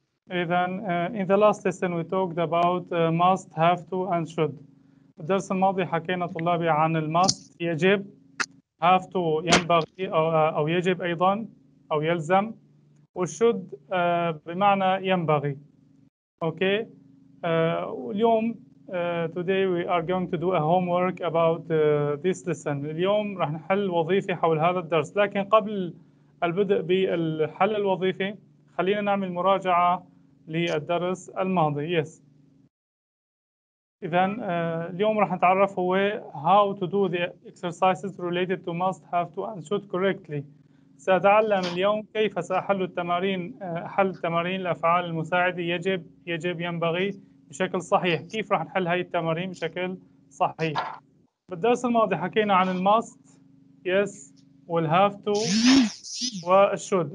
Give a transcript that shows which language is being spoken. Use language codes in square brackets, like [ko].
[ar] إذن [en] in the last lesson we talked about must, have to and should. [ar] الدرس الماضي حكينا طلابي عن must يجب, have to ينبغي أو يجب أيضا أو يلزم, والشود بمعنى ينبغي. [en] Okay. اليوم today we are going to do a homework about this lesson. [ar] اليوم راح نحل وظيفة حول هذا الدرس. لكن قبل البدء بالحل الوظيفة خلينا نعمل مراجعة للدرس الماضي. [en] Yes. [ar] إذن اليوم راح نتعرف هو [en] how to do the exercises related to must, have to and should correctly. [ar] سأتعلم اليوم كيف سأحل التمارين, حل التمارين الأفعال المساعدة يجب, يجب, ينبغي بشكل صحيح. كيف راح نحل هاي التمارين بشكل صحيح؟ بالدرس الماضي حكينا عن الماست يس والهاف تو والشود.